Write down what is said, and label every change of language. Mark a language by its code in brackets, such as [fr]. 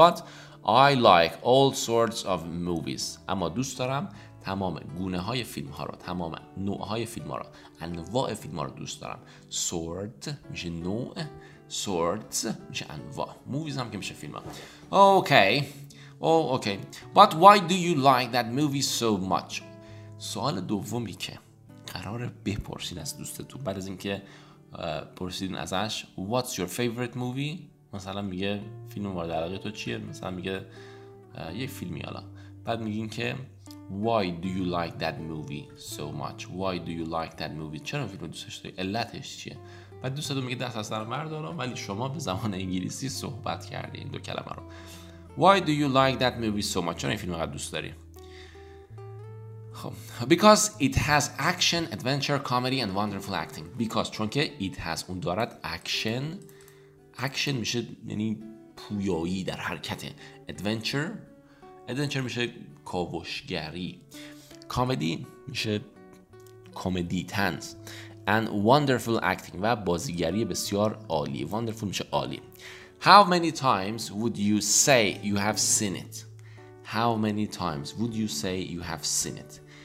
[en] But I like all sorts of movies. [fa] اما دوست دارم تمام گونه های فیلم ها رو، تمام نوع های فیلم ها رو، انواع فیلم ها رو دوست دارم. Sort میشه نوع، sorts میشه انواع، movies هم که میشه فیلم ها. [en] Okay. Oh, okay. But why do you like that movie so much? [fa] سوال دومی که قراره بپرسین از دوستتون بعد از اینکه پرسیدین ازش [en] What's your favorite movie؟ [fa] مثلا میگه فیلم مورد علاقه تو چیه؟ مثلا میگه یه فیلمی حالا، بعد میگین که [en] Why do you like that movie so much؟ Why do you like that movie؟ [fa] چرا فیلم دوستش داری؟ علتش چیه؟ بعد دوستتون میگه دست از سر بردارم ولی شما به زبان انگلیسی صحبت کردی این دو کلمه رو. [en] Why do you like that movie so much؟ [fa] چرا این فیلم قد دوست داری؟ [en] Because it has action, adventure, comedy and wonderful acting. [fa] Because چون که it has، اون دارد action، action میشه یعنی پویایی در حرکت، adventure، adventure میشه کاوشگری، کامیدی میشه کمدی تنز [en] and wonderful acting [fa] و بازیگری بسیار عالی. Wonderful میشه عالی. [en] How many times would you say you have seen it? How many times would you say you have seen it?